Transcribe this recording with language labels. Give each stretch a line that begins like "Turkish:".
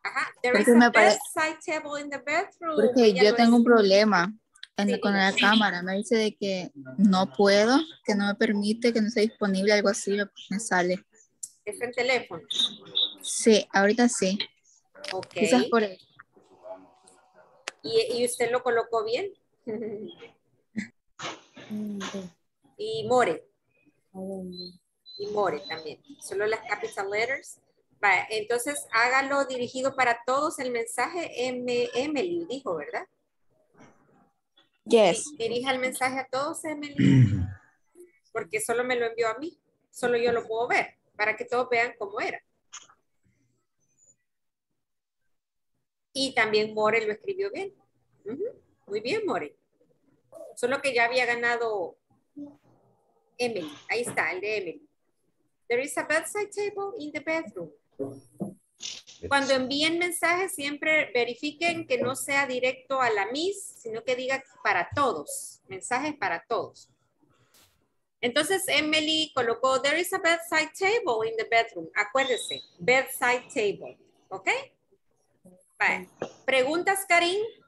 English: Ajá, there is a bedside table in the bedroom.
Spanish: Porque ya yo tengo un problema con la cámara. Me dice de que no puedo, que no me permite, que no está disponible, algo así me sale. ¿Es el teléfono? Sí, ahorita sí. Ok. Quizás por eso. ¿Y usted lo colocó bien? Y More. Y More también, solo las
English: capital letters.
Spanish: Vale, entonces hágalo dirigido para todos el mensaje. Emily dijo, ¿verdad?
English: Yes.
Spanish: Dirija el mensaje a todos, Emily, porque solo me lo envió a mí, solo yo lo puedo ver, para que todos vean cómo era. Y también More lo escribió bien. Uh-huh. Muy bien, More. Solo que ya había ganado Emily. Ahí está, el de Emily.
English: There is a bedside table in the bedroom.
Spanish: Cuando envíen mensajes, siempre verifiquen que no sea directo a la Miss, sino que diga para todos. Mensajes para todos. Entonces, Emily colocó,
English: there is a bedside table in the bedroom.
Spanish: Acuérdese, bedside table. ¿Ok? Vale. ¿Preguntas, Karin?